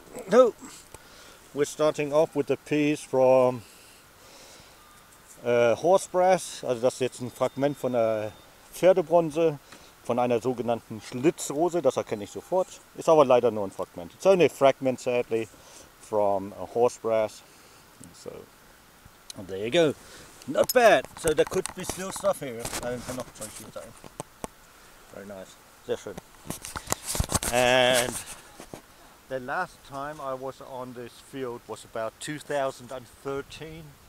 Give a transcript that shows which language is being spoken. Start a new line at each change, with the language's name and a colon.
English: No, we're starting off with a piece from horse brass.
German: Also das ist jetzt ein Fragment von einer Pferdebronze, von einer sogenannten Schlitzrose. Das erkenne ich sofort. Ist aber leider nur ein Fragment.
English: It's only a fragment, sadly, from a horse brass. So. And there you go. Not bad. So there could be still stuff here. Very nice.
German: Sehr schön.
English: And the last time I was on this field was about 2013.